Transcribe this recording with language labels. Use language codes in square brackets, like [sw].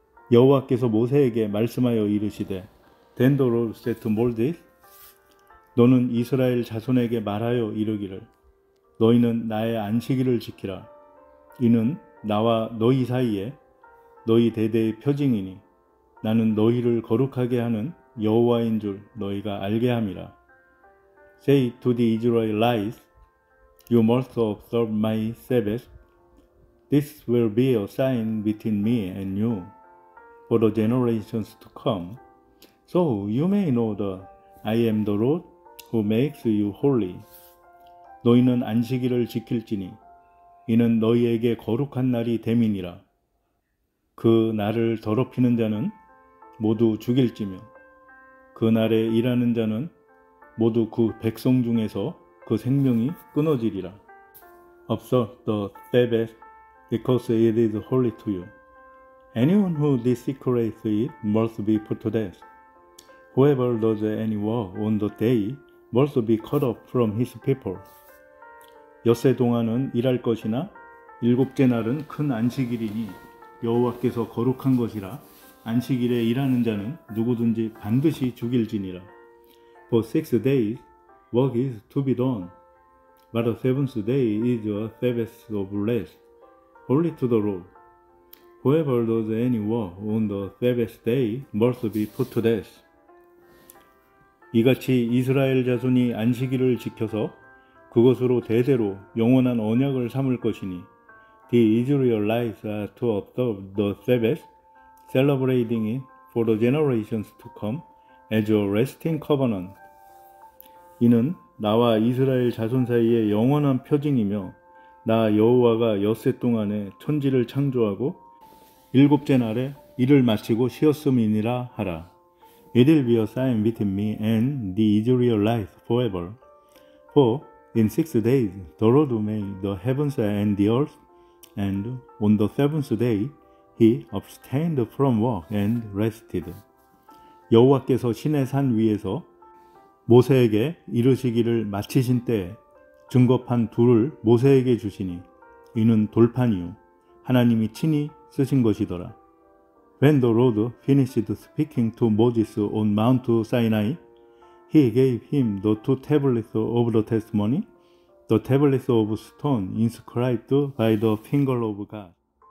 [ko] 여호와께서 모세에게 말씀하여 이르시되 [en] Then the Lord said to Moses [ko] 너는 이스라엘 자손에게 말하여 이르기를 너희는 나의 안식일을 지키라 이는 나와 너희 사이에 너희 대대의 표징이니 나는 너희를 거룩하게 하는 여호와인 줄 너희가 알게 함이라 [en] Say to the Israelites, You must observe my Sabbath. This will be a sign between me and you for the generations to come. So you may know that I am the Lord who makes you holy. [ko] 너희는 안식일을 지킬지니, 이는 너희에게 거룩한 날이 됨이니라. 그 날을 더럽히는 자는 모두 죽일지며, 그 날에 일하는 자는 모두 그 백성 중에서 그 생명이 끊어지리라. [en] Observe the Sabbath, because it is holy to you. Anyone who desecrates it must be put to death. Whoever does any work on the day must be cut off from his people. [ko] 엿새 동안은 일할 것이나 일곱째 날은 큰 안식일이니 여호와께서 거룩한 것이라 안식일에 일하는 자는 누구든지 반드시 죽일지니라. [en] For 6 days, work is to be done. But the seventh day is a Sabbath of rest, holy to the Lord. Whoever does any work on the Sabbath day must be put to death. [ko] 이같이 이스라엘 자손이 안식일을 지켜서 그것으로 대대로 영원한 언약을 삼을 것이니 [en] The Israelites are to observe the Sabbath, celebrating it for the generations to come as a resting covenant. [ko] 이는 나와 이스라엘 자손 사이의 영원한 표징이며 나 여호와가 엿새 동안에 천지를 창조하고 일곱째 날에 일을 마치고 쉬었음이니라 하라. [en] It will be a sign between me and the Israel life forever. For in 6 days the Lord made the heavens and the earth, and on the seventh day he abstained from work and rested. [ko] 여호와께서 시내 산 위에서 모세에게 이르시기를 마치신 때 증거판 둘을 모세에게 주시니 이는 돌판이요 하나님이 친히 쓰신 것이더라. [en] When the Lord finished speaking to Moses on Mount Sinai, he gave him the two tablets of the testimony, the tablets of stone inscribed by the finger of God.